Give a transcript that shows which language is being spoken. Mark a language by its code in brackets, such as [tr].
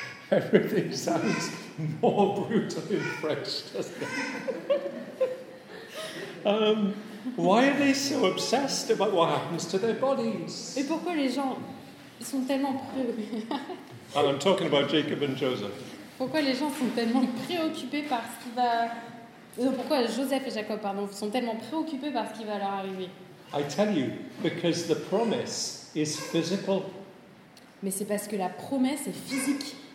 [en] Everything sounds more brutal and fresh, doesn't it? Why are they so obsessed about what happens to their bodies? [fr] Et pourquoi les gens sont tellement préoccupés? [en] And I'm talking about Jacob and Joseph. [fr] Pourquoi les gens sont tellement préoccupés par ce qui va... Non, pourquoi Joseph et Jacob, pardon, sont tellement préoccupés par ce qui va leur arriver? [en] I tell you, because the promise is physical. [fr] Mais c'est parce que la promesse est physique.